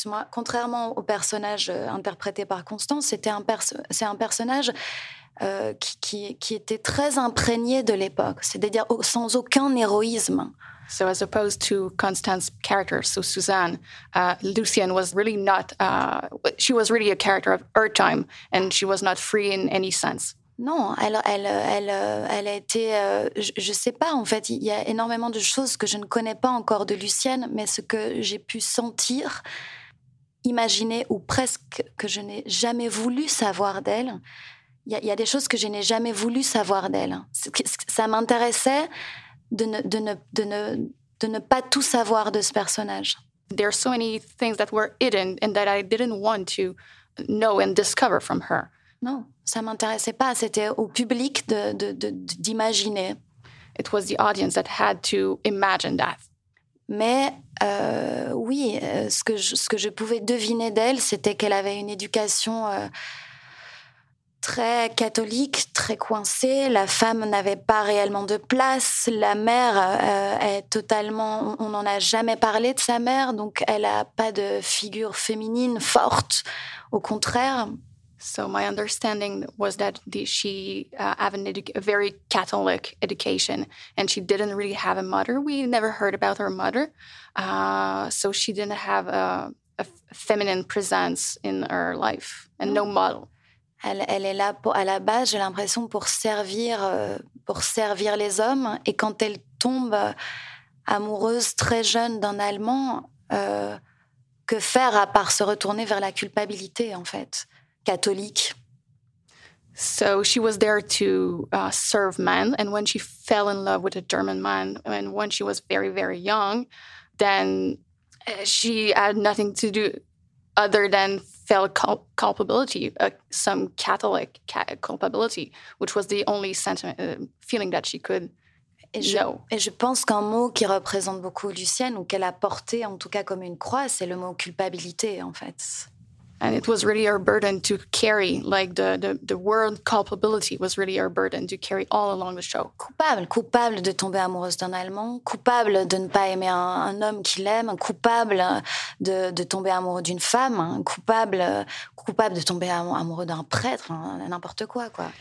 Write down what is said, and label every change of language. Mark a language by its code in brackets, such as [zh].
[fr] Contrairement au personnage interprété par Constance, c'est un personnage qui était très imprégné de l'époque, c'est-à-dire sans aucun héroïsme. [en] So as opposed to Constance's character, so Suzanne, Lucienne was really not, she was really a character of her time, and she was not free in any sense. [fr] Non, elle a été, je sais pas, en fait, il y a énormément de choses que je ne connais pas encore de Lucienne, mais ce que j'ai pu sentir, imaginer, ou presque que je n'ai jamais voulu savoir d'elle, il y a des choses que je n'ai jamais voulu savoir d'elle. Ça m'intéressait, de ne pas tout savoir de ce personnage. [en] There are so many things that were hidden and that I didn't want to know and discover from her. [fr] Non, ça m'intéressait pas. C'était au public d'imaginer. [en] It was the audience that had to imagine that. [fr] Mais oui, ce que je pouvais deviner d'elle, c'était qu'elle avait une éducation très catholique, très coincée. La femme n'avait pas réellement de place. La mère est totalement... On n'en a jamais parlé de sa mère, donc elle n'a pas de figure féminine forte. Au contraire. [en] So my understanding was that she had a very Catholic education and she didn't really have a mother. We never heard about her mother. So she didn't have a feminine presence in her life and no model. [fr] Elle est là pour, à la base, j'ai l'impression, pour servir les hommes. Et quand elle tombe amoureuse très jeune d'un Allemand, que faire à part se retourner vers la culpabilité, en fait, catholique? [en] So she was there to serve men. And when she fell in love with a German man, and when she was very, very young, then she had nothing to do other than felt culpability, some Catholic culpability, which was the only sentiment, feeling that she could know. [fr] Et je pense qu'un mot qui représente beaucoup Lucienne, ou qu'elle a porté en tout cas comme une croix, c'est le mot culpabilité, en fait. [en] And it was really her burden to carry, like the word culpability was really her burden to carry all along the show. [fr] Coupable de tomber amoureuse d'un Allemand, coupable de ne pas aimer un homme qui l'aime, coupable de tomber amoureux d'une femme, coupable de tomber amoureux d'un prêtre, n'importe quoi.